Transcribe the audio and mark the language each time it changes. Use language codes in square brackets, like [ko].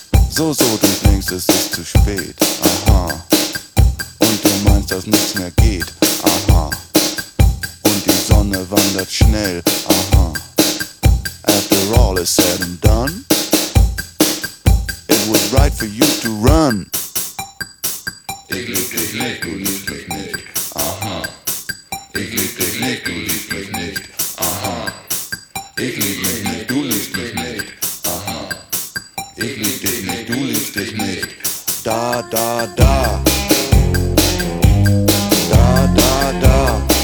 [de] So, so, du denkst, es ist zu spät, aha. Und du meinst, dass nichts mehr geht, aha. Und die Sonne wandert schnell, aha. [en] After all is said and done, it was right for you to run. [de] Ich lieb dich nicht, du liebst mich nicht, aha. Ich lieb dich nicht, du liebst mich nicht, aha. Ich lieb mich nicht, du liebst mich nicht, aha. Ich lieb dich nicht, du liebst dich nicht. Da, da, da. Da, da, da.